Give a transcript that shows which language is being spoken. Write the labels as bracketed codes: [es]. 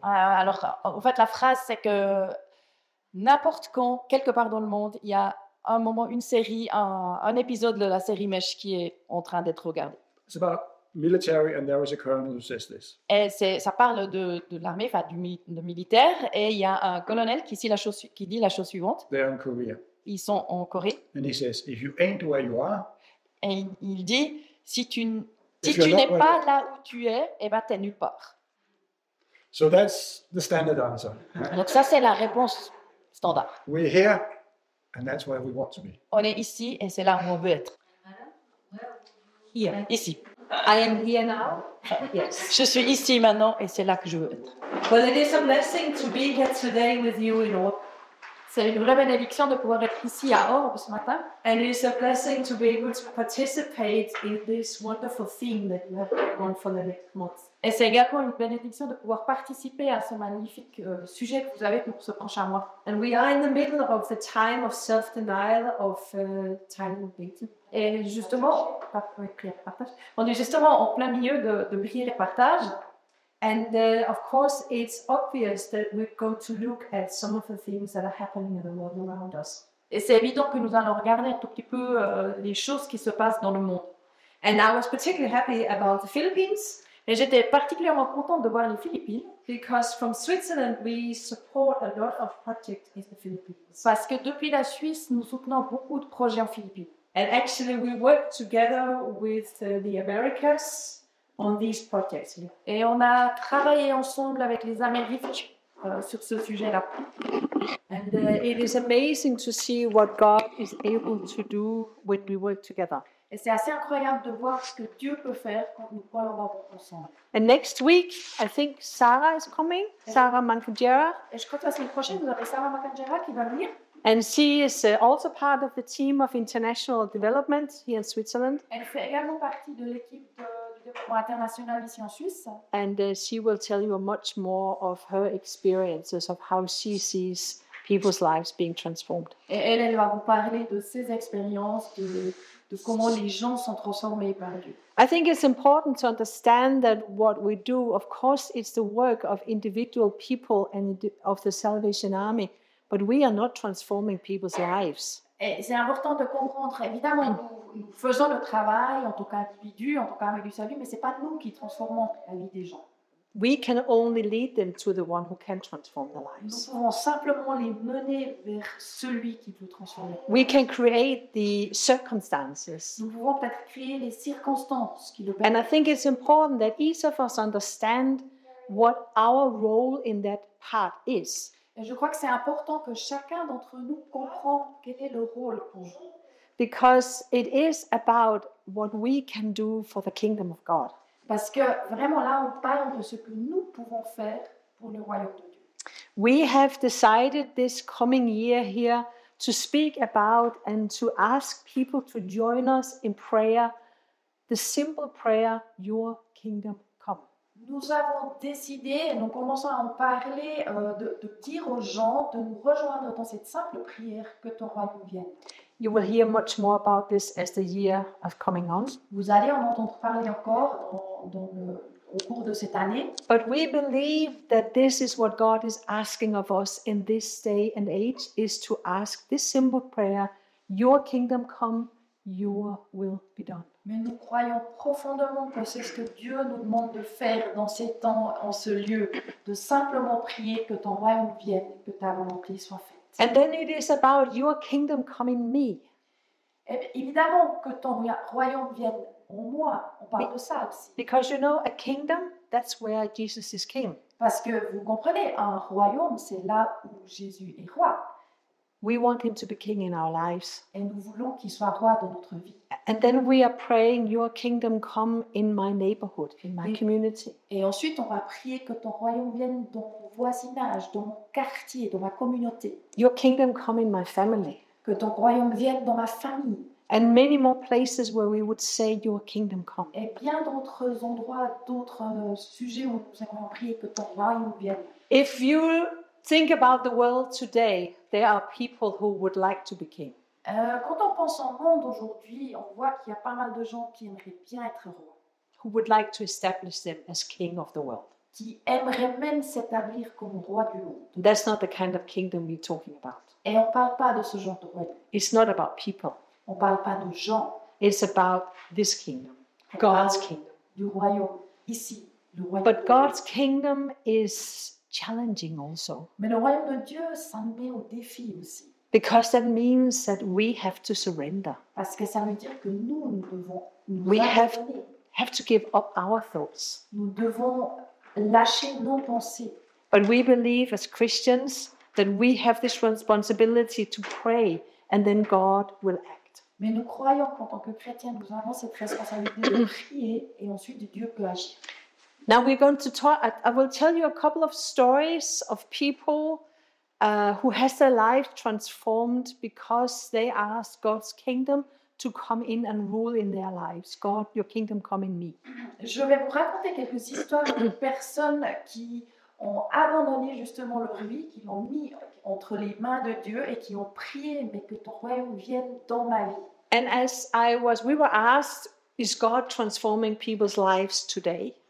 [fr] Alors en fait la phrase c'est que n'importe quand, quelque part dans le monde, il y a un moment, une série, un épisode de la série MASH qui est en train d'être regardé. [en] It's about military and there is a colonel who says this. [fr] Et ça parle de l'armée, enfin de militaire, et il y a un colonel qui dit la chose suivante. [en] They're in Korea. [fr] Ils sont en Corée. [en] And he says, if you ain't where you are. [fr] Et il dit, si tu n'es pas là où tu es, eh ben t'es nulle part. [en] So that's the standard answer. [fr] Donc ça c'est la réponse. Standard. [en] We're here, and that's where we want to be. [fr] On est ici, et c'est là où on veut être. [en] Here. [fr] Ici. [en] I am here now. Yes. [fr] Je suis ici maintenant, et c'est là que je veux être. [en] Well, it is a blessing to be here today with you in Orbe. [fr] C'est une vraie bénédiction de pouvoir être ici à Orbe ce matin. [en] And it is a blessing to be able to participate in this wonderful theme that you have on for the next month. [fr] Et c'est également une bénédiction de pouvoir participer à ce magnifique sujet que vous avez pour ce prochain mois. [en] And we are in the middle of the time of self-denial of time of dating. [fr] Et justement, on est en plein milieu de prière et partage. [en] And of course, it's obvious that we're going to look at some of the things that are happening in the world around us. [fr] Et c'est évident que nous allons regarder un tout petit peu les choses qui se passent dans le monde. [en] And I was particularly happy about the Philippines. [fr] Et j'étais particulièrement contente de voir les Philippines. [en] Because from Switzerland, we support a lot of projects in the Philippines. [fr] Parce que depuis la Suisse, nous soutenons beaucoup de projets en Philippines. [en] And actually, we work together with the Americas on these projects. [fr] Et on a travaillé ensemble avec les Américains sur ce sujet-là. [en] And it is amazing to see what God is able to do when we work together. [fr] Et c'est assez incroyable de voir ce que Dieu peut faire quand nous collaborons ensemble. [en] And next week, I think Sarah is coming. Sarah Mankajera. [fr] Et je crois que la semaine prochaine, vous avez Sarah Mankajera qui va venir. [en] And she is also part of the team of international development here in Switzerland. [fr] Elle fait également partie de l'équipe du développement international ici en Suisse. [en] And she will tell you much more of her experiences of how she sees people's lives being transformed. [fr] Et elle va vous parler de ses expériences de comment les gens sont transformés par Dieu. [en] I think it's important to understand that what we do, of course, it's the work of individual people and of the Salvation Army, but we are not transforming people's lives. [fr] Et c'est important de comprendre, évidemment, nous faisons le travail en tant qu'individu, en tant qu'armée du salut, mais ce n'est pas nous qui transformons la vie des gens. [en] We can only lead them to the one who can transform their lives. [fr] Nous pouvons simplement les mener vers celui qui peut transformer. [en] We can create the circumstances. [fr] Nous pouvons peut-être créer les circonstances qui le permettent. [en] And I think it's important that each of us understand what our role in that part is. [fr] Et je crois que c'est important que chacun d'entre nous comprend quel est le rôle qu'on joue. [en] Because it is about what we can do for the kingdom of God. [fr] Parce que vraiment là, on parle de ce que nous pouvons faire pour le royaume de Dieu. [en] We have decided this coming year here to speak about and to ask people to join us in prayer, the simple prayer, Your Kingdom Come. [fr] Nous avons décidé, nous commençons à en parler, de dire aux gens de nous rejoindre dans cette simple prière que ton royaume vienne. [en] You will hear much more about this as the year is coming on. [fr] Vous allez en entendre parler encore au cours de cette année. [en] But we believe that this is what God is asking of us in this day and age, is to ask this simple prayer, Your kingdom come, your will be done. [fr] Mais nous croyons profondément que c'est ce que Dieu nous demande de faire dans ces temps, en ce lieu, de simplement prier que ton royaume vienne, que ta volonté soit faite. [en] And then it is about your kingdom coming me. [fr] Et évidemment que ton royaume vienne en moi, on parle de ça aussi. [en] Because you know, a kingdom, that's where Jesus is king. [fr] Parce que vous comprenez, un royaume, c'est là où Jésus est roi. [en] We want him to be king in our lives. [fr] Et nous voulons qu'il soit roi dans notre vie. [en] And then we are praying, your kingdom come in my neighborhood, in my community. [fr] Et ensuite, on va prier que ton royaume vienne dans mon voisinage, dans mon quartier, dans ma communauté. [en] Your kingdom come in my family. [fr] Que ton royaume vienne dans ma famille. [en] And many more places where we would say, your kingdom come. [fr] Et bien d'autres endroits, d'autres sujets où nous allons prier que ton royaume vienne. [en] If you think about the world today, there are people who would like to be king. [fr] Quand on pense au monde aujourd'hui, on voit qu'il y a pas mal de gens qui aimeraient bien être roi. [en] Who would like to establish them as king of the world. [fr] Qui aimeraient même s'établir comme roi du monde. [en] That's not the kind of kingdom we're talking about. [fr] Et on parle pas de ce genre de royaume. [en] It's not about people. [fr] On parle pas de gens. [en] It's about this kingdom. [fr] On [en] God's kingdom. [fr] Du royaume ici. Le royaume. [en] But God's kingdom is challenging also. [fr] Mais le royaume de Dieu, ça nous met au défi aussi. [en] Because that means that we have to surrender. [fr] Parce que ça veut dire que nous devons nous [en] we have to give up our thoughts. [fr] Nous devons lâcher nos pensées. [en] But we believe as Christians that we have this responsibility to pray and then God will act. [fr] Mais nous croyons qu'en tant que chrétiens, nous avons cette responsabilité de prier et ensuite Dieu peut agir. [en] Now we're going to talk, I will tell you a couple of stories of people who has their life transformed because they asked God's kingdom to come in and rule in their lives. God, your kingdom come in me. [fr] Je vais vous raconter quelques histoires de personnes qui ont abandonné justement leur vie, qui l'ont mis entre les mains de Dieu et qui ont prié, mais que ton royaume vienne dans ma vie. [en] And as we were asked, is God transforming people's lives today?